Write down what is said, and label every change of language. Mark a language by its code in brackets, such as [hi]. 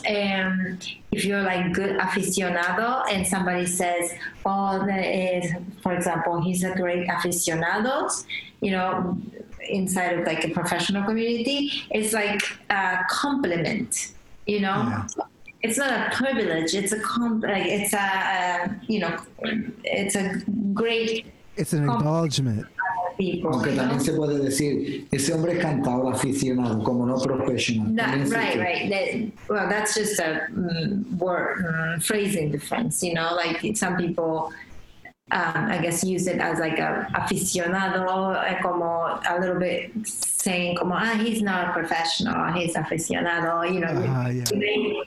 [en] And if you're like good aficionado and somebody says, oh, there is, for example, he's a great aficionado, you know, inside of like a professional community, it's like a compliment, you know. Yeah. It's not a privilege, it's a great It's an acknowledgement. [es] Aunque también se puede decir, ese hombre es cantador aficionado, como no profesional. [en] Right. Well, that's just a word, phrasing difference, you know, like some people... I guess use it as like a aficionado, [es] como [en] a little bit saying, como, ah, he's not a professional, he's aficionado, you know.